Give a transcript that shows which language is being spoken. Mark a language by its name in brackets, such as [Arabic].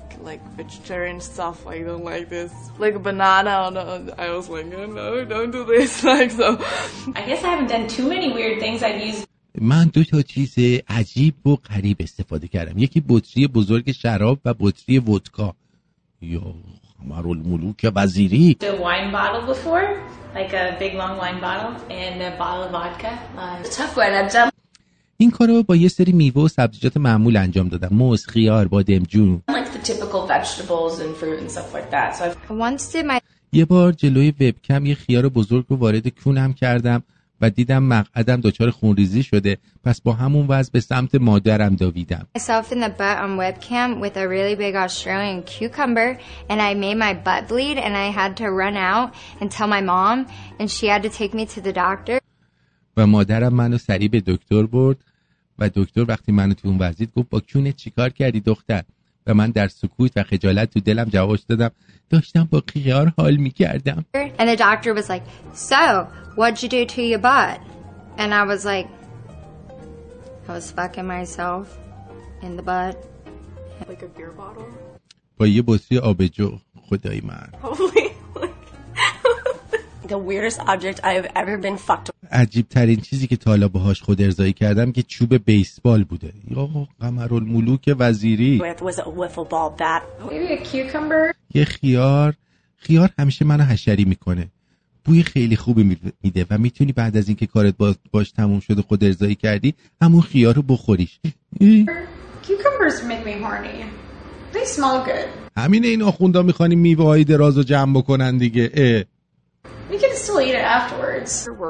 [English] Like vegetarian stuff, I don't like this. Like a banana, I was like, no, don't do this. Like so. I guess I haven't done too many weird things. I've used. [Persian] من دو تا چیز عجیب و غریب استفاده کردم، یکی بطری بزرگ شراب و بطری ودکا. یا خمر الملوک وزیری، [English] the wine bottle before, like a big long wine bottle and a bottle of vodka. Tough one. [Persian] این کارو با یه سری میوه و سبزیجات معمول انجام دادم، موز، خیار، بادمجون. [English] Like the typical vegetables and fruit and stuff like that. [Persian] یه بار جلوی وبکم یه خیار بزرگ رو وارد کونم کردم و دیدم مقعدم دچار خونریزی شده، پس با همون وضع به سمت مادرم دویدم. [English] Myself in the butt on webcam with a really big Australian cucumber and I made my butt bleed and I had to run out and tell my mom and she had to take me to the doctor. [Persian] و مادرم منو سریع به دکتر برد و دکتر وقتی منو تو اون وضعیت گفت با کونت چیکار کردی دختر؟ و من در سکوت و خجالت تو دلم جواب دادم، داشتم با خیار حال می‌کردم. [English] And the doctor was like, "So, what'd you do to your butt?" And I was like, "I was fucking myself in the butt." Like a beer bottle. [Persian] با یه بطری آبجو، خدای من. [English] The weirdest object I've ever been fucked. [Persian] عجیب ترین چیزی که تا حالا باهاش خود ارضایی کردم که چوب بیسبال بوده. یا قمرالملوک وزیری. یه خیار. خیار همیشه منو حشری میکنه. بوی خیلی خوبی میده و میتونی بعد از اینکه کارت باش تموم شده خود ارضایی کردی همون خیار رو بخوریش. [English] Cucumbers make me horny. They smell good. [Persian] همین این آخوندا میخوانی میوه های دراز رو جمع بکنن دیگه. [English] We can still eat it afterwards.